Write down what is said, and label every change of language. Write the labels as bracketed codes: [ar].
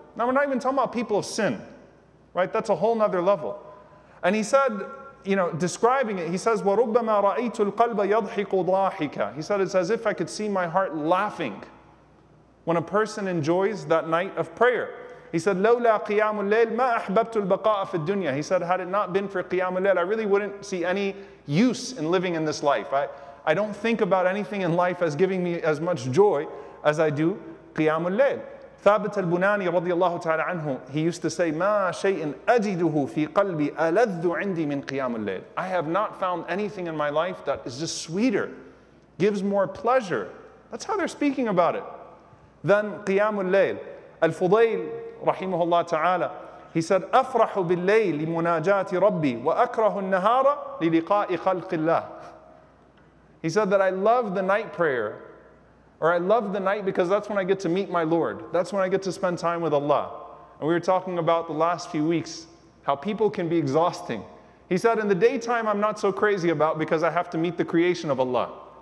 [en] Now, we're not even talking about people of sin, right? That's a whole nother level. And he said, you know, describing it, he says, [ar] وَرُبَّمَا رَأَيْتُ الْقَلْبَ يَضْحِكُ ضَاحِكَ. [en] He said, it's as if I could see my heart laughing when a person enjoys that night of prayer. He said, [ar] لَوْلَا قِيَامُ اللَّيْلِ مَا أَحْبَبْتُ الْبَقَاءَ فِي الدُّنْيَا. [en] He said, had it not been for قِيَامُ اللَّيْلِ, I really wouldn't see any use in living in this life. I don't think about anything in life as giving me as much joy as I do قِيَامُ اللَّيْلِ. [ar] ثابت البناني رضي الله تعالى عنه, [en] he used to say, [ar] ما شيء أجده في قلبي ألذ عندي من قيام الليل. [en] I have not found anything in my life that is just sweeter, gives more pleasure. That's how they're speaking about it. Then [ar] قيام الليل. الفضيل رحمه الله تعالى, [en] he said, [ar] أفرح بالليل لمناجاة ربي وأكره النهار للقاء خلق الله. [en] He said that I love the night prayer, or I love the night because that's when I get to meet my Lord. That's when I get to spend time with Allah. And we were talking about the last few weeks, how people can be exhausting. He said, in the daytime I'm not so crazy about because I have to meet the creation of Allah.